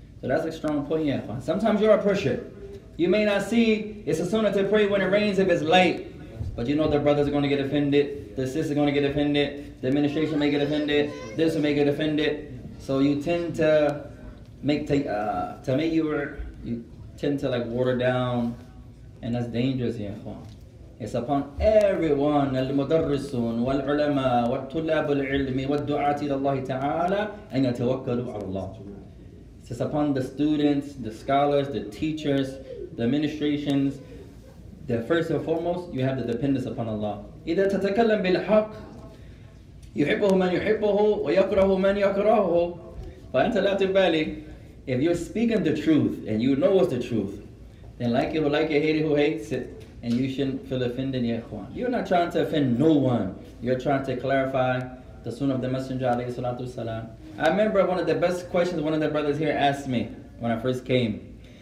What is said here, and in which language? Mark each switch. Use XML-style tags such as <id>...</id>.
<en>So that's a strong point, yeah. Sometimes you're a pressure. You may not see it's a sunnah to pray when it rains if it's light, but you know the brothers are going to get offended, the sisters are going to get offended, the administration may get offended, this may get offended. So you tend to make you tend to water down, and that's dangerous, yeah. It's upon everyone,</en> <ar>المدرسون والعلماء والطلاب العلم والدعاة إلى الله تعالى أن يتوكلوا على الله.</ar> <en>It's upon the students, the scholars, the teachers, the administrations, that first and foremost, you have the dependence upon Allah.</en> <ar>إذا تتكلم بالحق يحبه من يحبه ويكره من يكرهه. فأنت لا تبالي.</ar> <en>If you're speaking the truth and you know what's the truth, then like it who like it, hate it who hates it. And you shouldn't feel offended, ya Ikhwan. You're not trying to offend no one. You're trying to clarify the sunnah of the Messenger, alayhi salatu wasalam. I remember one of the best questions one of the brothers here asked me when I first came.</en>